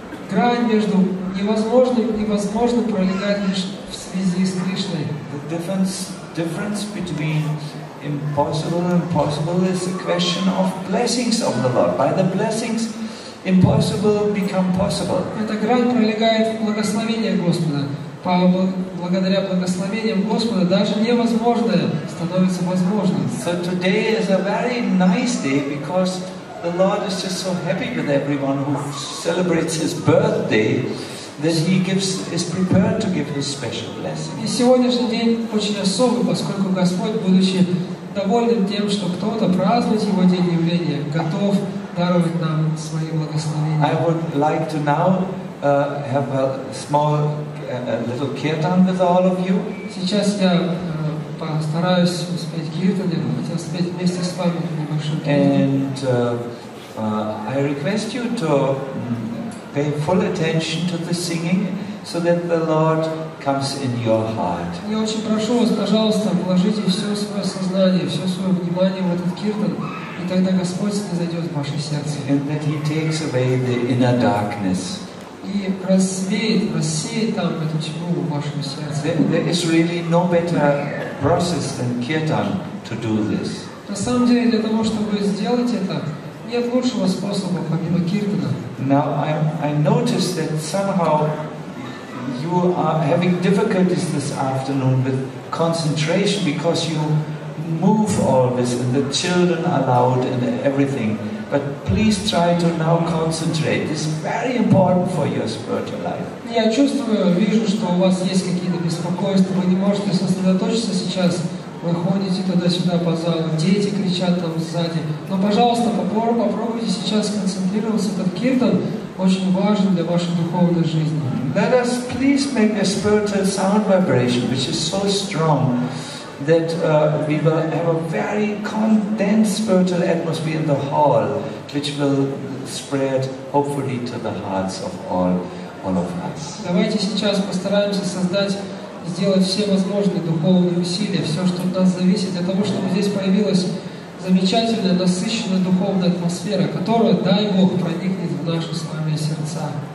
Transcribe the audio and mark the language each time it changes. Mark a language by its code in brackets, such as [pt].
[ru] Грань между невозможным и возможным пролегает лишь в связи с Кришной. [en] The difference between impossible and possible is a question of blessings of the Lord. By the blessings, impossible become possible. [ru] Эта грань пролегает в благословение Господа. Благодаря благословениям Господа даже невозможное становится возможным. [en] So today is a very nice day because the Lord is just so happy with everyone who celebrates his birthday that he gives is prepared to give his special blessing. [ru] И сегодняшний день очень особый, поскольку Господь, будучи довольным тем, что кто-то празднует его день явления, готов даровать нам свои благословения. [en] I would like to now have a small a little kirtan with all of you. [ru] Сейчас я постараюсь успеть kirtan, я хотел спеть вместе с вами небольшой kirtan. [en] And I request you to pay full attention to the singing so that the Lord comes in your heart. [ru] Я очень прошу вас, пожалуйста, вложите все свое сознание, все свое внимание в этот kirtan, и тогда Господь снизойдет в ваше сердце. [en] And that he takes away the inner darkness. [ru] И рассеет там эту тьму в вашем сердце. [en] There is really no better process than kirtan to do this. [ru] На самом деле, для того, чтобы сделать это, нет лучшего способа, помимо киртана. [en] Now, I noticed that somehow you are having difficulties this afternoon with concentration because you move all this and the children are loud and everything. But please try to now concentrate. This is very important for your spiritual life. [ru] Я чувствую, вижу, что у вас есть какие-то беспокойства. Вы не можете сосредоточиться сейчас. Вы ходите туда-сюда по залу. Дети кричат там сзади. Но, пожалуйста, попробуйте сейчас концентрироваться. Этот киртан очень важен для вашей духовной жизни. [en] Let us please make a spiritual sound vibration, which is so strong that we will have a very condensed spiritual atmosphere in the hall, which will spread hopefully to the hearts of all of us. [ru] Давайте сейчас постараемся создать, сделать все возможные духовные усилия, все, что от нас зависит, для того, чтобы здесь появилась замечательная, насыщенная духовная атмосфера, которая, дай Бог, проникнет в наши с вами сердца.